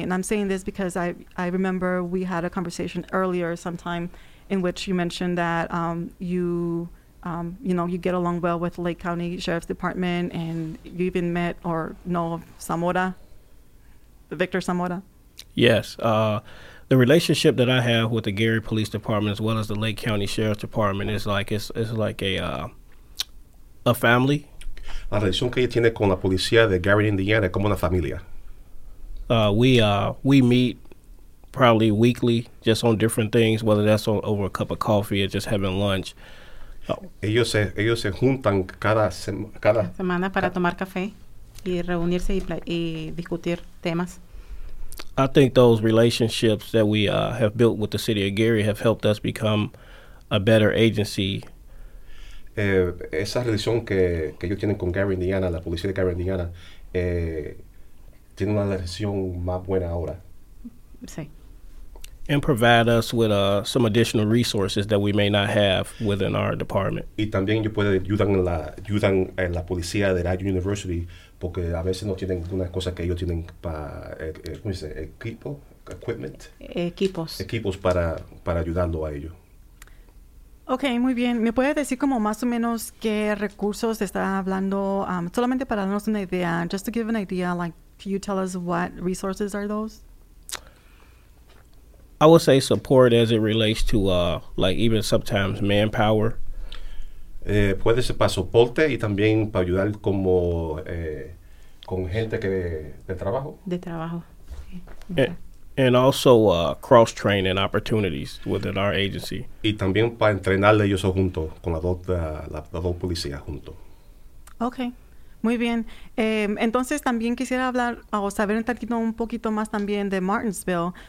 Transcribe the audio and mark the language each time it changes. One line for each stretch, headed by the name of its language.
English: And I'm saying this because I remember we had a conversation earlier sometime in which you mentioned that you get along well with Lake County Sheriff's Department and you even met or know Samora, Victor Samora. Yes. The relationship that I have with the Gary Police Department as well as the Lake County Sheriff's Department is like it's like a family.
Spanish: La relación que ella tiene con la policía de Gary, Indiana, es como una familia.
English: We meet probably weekly, just on different things, whether that's over a cup of coffee or just having lunch.
Spanish: Ellos se juntan cada semana para tomar café y reunirse y discutir temas.
English: I think those relationships that we have built with the city of Gary have helped us become a better agency.
Spanish: Esa relación que ellos tienen con Gary, Indiana, la policía de Gary, Indiana, tiene una relación más buena ahora. Sí.
English: And provide us with some additional resources that we may not have within our department.
Spanish: Y también ellos pueden ayudan en la policía de Rider University porque a veces no tienen unas cosas que ellos tienen para, ¿cómo dice? Equipo, equipment. Equipos. Equipos para ayudarlo a ellos. Okay, muy bien. ¿Me puede decir como más o menos qué recursos está hablando? Solamente para darnos una idea,
English: just to give an idea, like, can you tell us what resources are those? I would say support as it relates to, like, even sometimes manpower.
Spanish: Puede ser para soporte y también para ayudar como con gente que de trabajo. De trabajo.
English: And also cross training opportunities within our agency.
Spanish: Y también para entrenarle ellos junto con la dos policías junto. Okay, muy bien. Entonces también quisiera hablar o saber un poquito más también de Martinsville.